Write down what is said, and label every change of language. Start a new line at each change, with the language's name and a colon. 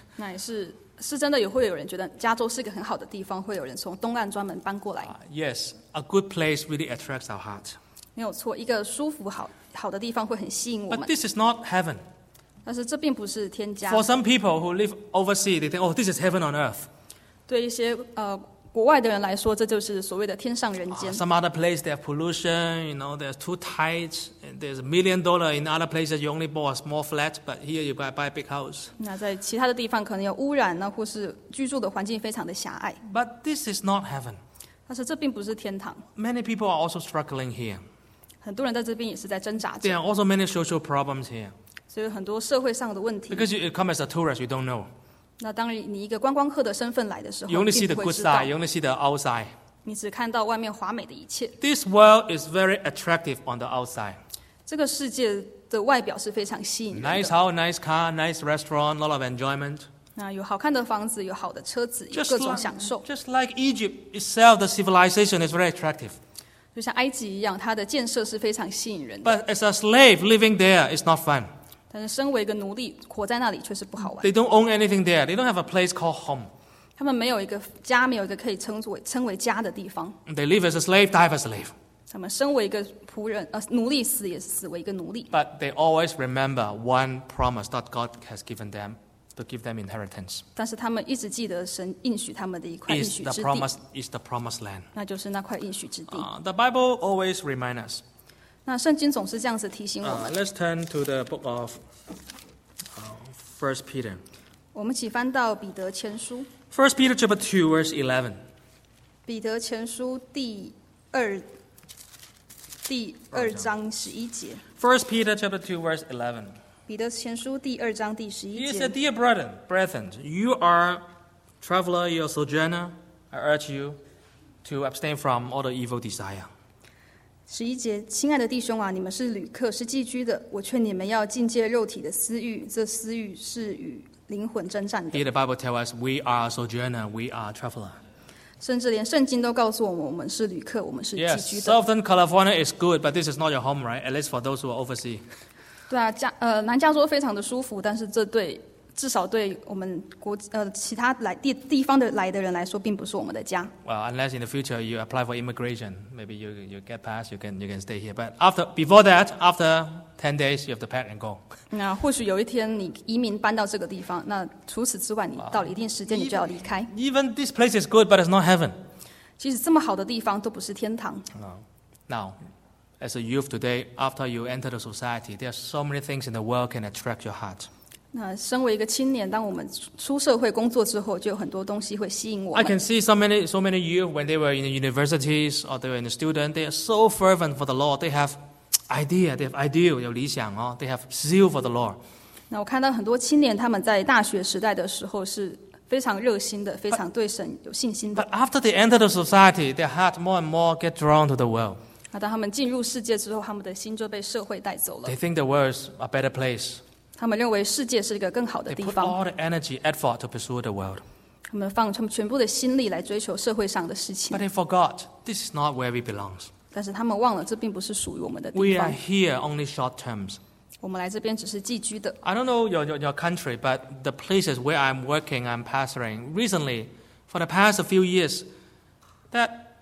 Chinese: 那也是真的，也会有人觉得加州是一个很好的地方，会有人从东岸专门搬过来。
English: Yes, a good place really attracts our heart.
Chinese: 没有错，一个舒服好的地方会很吸引我们。
English: But this is not heaven.
Chinese: 但是这并不是天家。
English: For some people who live overseas, they think, oh, this is heaven on earth.
Chinese: 对一些国外的人来说，这就是所谓的天上人间。
English: Some other place they have pollution, you know, they're too tight. There's $1 million in other places. You only bought a small flat, but here you buy a big house.
Chinese: 那在其他的地方可能有污染呢，或是居住的环境非常的狭隘。
English: But this is not heaven.
Chinese: 但是这并不是天堂。
English: Many people are also struggling here.
Chinese: 很多人在这边也是在挣扎着。
English: There are also many social problems here.
Chinese: 所以很多社会上的问题。
English: Because you come as a tourist, you don't know.
Chinese: 那当你一个观光客的身份来的时候
English: ，You only see the good side. You only see the outside.
Chinese: 你只看到外面华美的一切。
English: This world is very attractive on the outside.
Chinese: 这个世界的外表是非常吸引人的。
English: Nice house, nice car, nice restaurant, lot of enjoyment.
Chinese: 那有好看的房子，有好的车子，有各种享受。
English: Just like Egypt itself, the civilization is very attractive.
Chinese: 就像埃及一样，它的建设是非常吸引人的。
English: But as a slave living there, it's not fun.
Chinese: 但是身为一个奴隶，活在那里却是不好玩。
English: They don't own anything there. They don't have a place called home.
Chinese: 他们没有一个家，没有一个可以称为家的地方。
English: They live as a slave, die as a slave.
Chinese: 他们身为一个仆人，奴隶死也死为一个奴隶。
English: But they always remember one promise that God has given them to give them inheritance.
Chinese: 但是他们一直记得神应许他们的一块应许之地。
English: Is the promise is the promised land.
Chinese: 那就是那块应许之地。
English: The Bible always reminds us.
Chinese: 那圣经总是这样子提醒我们。
English: Let's turn to the book of First Peter.
Chinese: 我们起翻到彼得前书。
English: First Peter chapter 2 verse 11.
Chinese: 彼得前书第二章十一节。
English: First Peter chapter 2 verse 11.
Chinese: 彼得前书第二章第十一节。
English: He said, "Dear brethren, you are traveler, you are sojourner. I urge you to abstain from all the evil desire."
Chinese: 十一节，亲爱的弟兄啊，你们是旅客，是寄居的。我劝你们要禁戒肉体的私欲，这私欲是与灵魂征战的。
English: Here the Bible tells us, "We are sojourner, we are traveler."
Chinese: 甚至连圣经都告诉我们，我们是旅客，我们是寄居的。
English: Yes, Southern California is good, but this is not your home, right? At least for those who are overseas.
Chinese: 对啊，南加州非常的舒服，但是这对至少对我们国其他来地方的来的人来说，并不是我们的家。
English: Well, unless in the future you apply for immigration, maybe you get passed, you can stay here. But after 10 days, you have to pack and go.
Chinese: 那或许有一天你移民搬到这个地方，那除此之外，你到了一定时间，你就要离开。
English: Even this place is good, but it's not heaven.
Chinese: 其实这么好的地方都不是天堂。
English: Now. As a youth today, after you enter the society, there are so many things in the world can attract your heart.
Chinese: 那身为一个青年，当我们出社会工作之后，就有很多东西会吸引我们。
English: I can see so many youth when they were in the universities or they were in the student, they are so fervent for the Lord. They have idea, they have ideal,
Chinese: 有理想哦
English: They have zeal for the Lord.
Chinese: 那我看到很多青年他们在大学时代的时候是非常热心的，非常对神有信心的。
English: But after they enter the society, their heart more and more get drawn to the world.
Chinese: 当他们进入世界之后，他们的心就被社会带走了。
English: They think the world is a better place.
Chinese: 他们认为世界是一个更好的地方。
English: They put all the energy, effort to pursue the world.
Chinese: 他们放他们全部的心力来追求社会上的事情。
English: But they forgot this is not where we belong.
Chinese: 但是他们忘了这并不是属于我们的地方。
English: We are here only short terms.
Chinese: 我们来这边只是寄居的。
English: I don't know your country, but the places where I'm working, I'm pastoring recently, for the past few years, that.